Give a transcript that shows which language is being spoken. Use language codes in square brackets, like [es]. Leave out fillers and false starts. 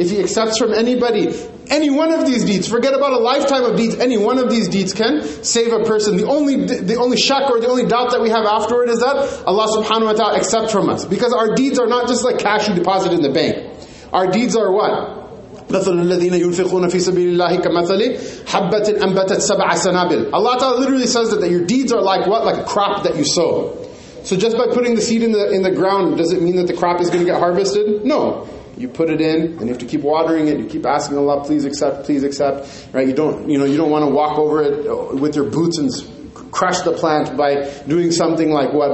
[en] If He accepts from anybody, any one of these deeds, forget about a lifetime of deeds, any one of these deeds can save a person. The only shak or the only doubt that we have afterward is that Allah Subhanahu Wa Ta'ala accept from us. Because our deeds are not just like cash you deposit in the bank. Our deeds are what? [ar] مثل الذين ينفقون في سبيل الله كمثل حبة أنبتت سبع سنابل. [en] Allah Ta'ala literally says that your deeds are like what? Like a crop that you sow. So just by putting the seed in the ground, does it mean that the crop is going to get harvested? No. You put it in, and you have to keep watering it. You keep asking Allah, please accept, right? You don't want to walk over it with your boots and crush the plant by doing something like what?